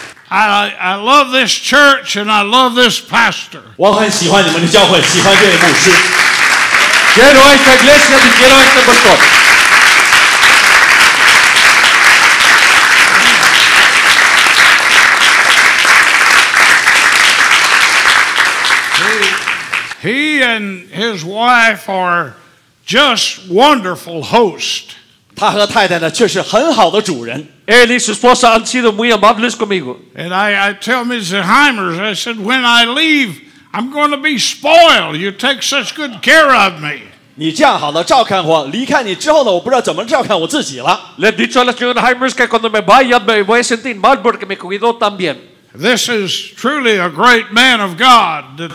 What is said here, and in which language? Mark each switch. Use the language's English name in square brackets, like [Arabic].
[English] I love this church and I love this pastor. [Chinese] 我很喜欢你们的教会，喜欢这位牧师。 [Spanish] Quiero esta iglesia y quiero este pastor. [English] He and his wife are just wonderful hosts. [Chinese] 他和太太呢，却是很好的主人。 [Spanish] Él y su esposa han sido muy amables conmigo. [English] And I tell Mrs. Heimers, I said, when I leave, I'm going to be spoiled. You take such good care of me. [Chinese] 你这样好了，照看我。离开你之后呢，我不知道怎么照看我自己了。 [Spanish] Le dicho a la señora Heimers que cuando me vaya me voy a sentir mal porque me cuido también. [English] This is truly a great man of God.